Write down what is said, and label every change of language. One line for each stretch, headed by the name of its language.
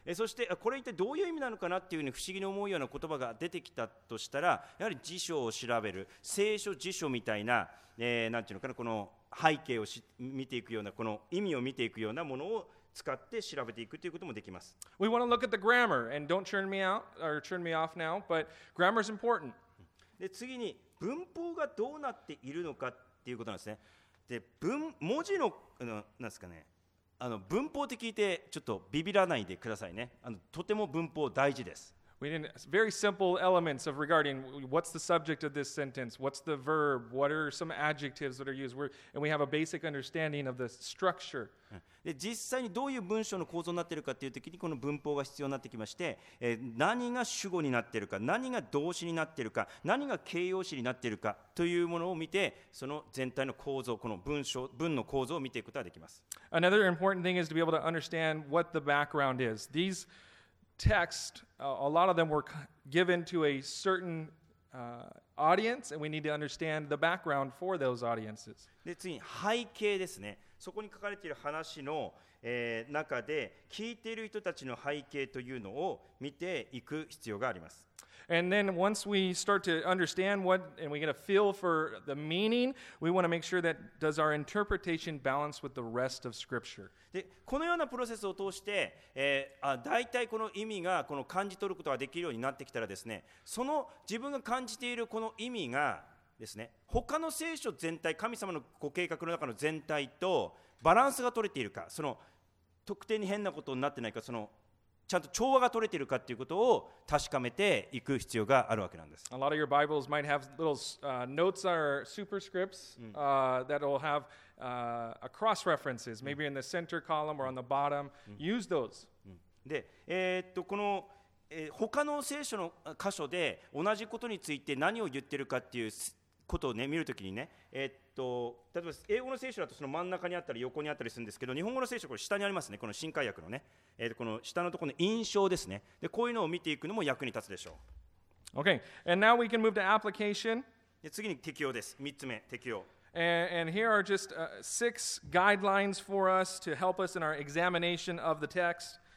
Japanese: そしてこれ一体どういう意味なのかなっていうふうに不思議に思うような言葉が出てきたとしたら、やはり辞書を調べる、聖書辞書みたいな、なんていうのかなこの背景を見ていくようなこの意味を見ていくようなものを。使って調べていくということもできます。
English: We want to look at the grammar and don't turn me out or turn me off now, but grammar is important.
Japanese: で次に文法がどうなっているのかっていうことなんですね。で文字のなんですかね。文法って聞いてちょっとビビらないでくださいね。とても文法大事です。
English: We need very simple elements of regarding what's the subject of this sentence, what's the verb, what are some adjectives that are used, and we have a basic understanding of the structure.
Japanese: で実際にどういう文章の構造になっているかというときにこの文法が必要になってきまして、何が主語になっているか、何が動詞になっているか、何が形容詞になっているかというものを見て、その全体の構造、この文の構造を見ていくことができます。
English: Another important thing is to be able to understand what the background is. These... Text, a lot of them were given to a certain audience, and we need to understand the background for those audiences.
Japanese: で次に背景ですね。そこに書かれている話の、中で聞いている人たちの背景というのを見ていく必要があります。
English: And then once we start to understand what and we get a feel for the meaning, we want to make sure that does our interpretation balance with the rest of Scripture.
Japanese: で、このようなプロセスを通して、大体この意味がこの感じ取ることができるようになってきたらですね、その自分が感じているこの意味がですね、他の聖書全体、神様のご計画の中の全体とバランスが取れているか、その特定に変なことになってないか、そのちゃんと調和が取れているかということを確かめていく必要があるわけなんです。
English: A lot of your Bibles might have little notes or superscripts that will have cross references, maybe in the center column or on the bottom. Use those.
Japanese: で、この他の聖書の箇所で同じことについて何を言ってるかっていうことをね見るときにね、例えば英語の聖書だとその真ん中にあったり横にあったりするんですけど、日本語の聖書はこれ下にありますね、この新改訳のね、この下のところの印象ですね。でこういうのを見ていくのも役に立つでしょう。
English: Okay, and now we can move to application.
Japanese: で次に適用です。3つ目、適用。
English: And here are just six guidelines for us to help us in our examination of the text.